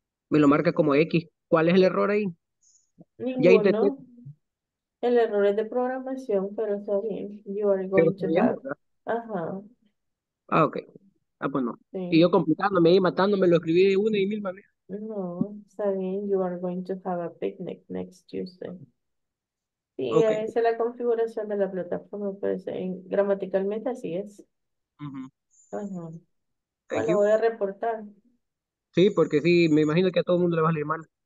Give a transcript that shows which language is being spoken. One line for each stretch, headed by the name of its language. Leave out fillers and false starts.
Spanish: Me lo marca como X. ¿Cuál es el error ahí? Ninguno. Ya intenté. El error es de programación, pero está bien.
English: You are going to have.
Spanish: Ah, ok. Ah, pues no. Sí. Y yo complicándome y matándome, lo escribí de una y mil maneras. No, está bien.
English: You are going to have a picnic next Tuesday.
Spanish: Sí, okay. Esa es la configuración de la plataforma, pues, gramaticalmente así es. Pues lo voy a reportar. Sí, porque sí, me imagino que a todo el mundo le va a leer mal.